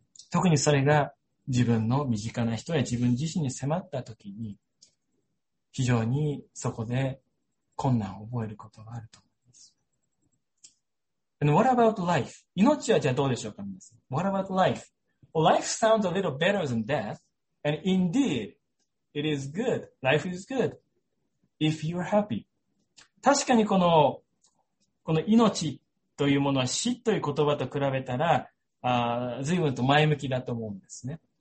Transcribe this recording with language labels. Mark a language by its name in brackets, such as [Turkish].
[Japanese] 特にそれが自分の身近な人や自分自身に迫ったときに、非常にそこで困難を覚えることがあると思います。 [English] And what about life? [Japanese] 命はじゃあどうでしょうか、皆さん。 [English] What about life? Well, life sounds a little better than death, and indeed,It is good. Life is good. If you are happy. [Japanese] 確かにこの命というものは死という言葉と比べたら、随分と前向きだと思うんですね。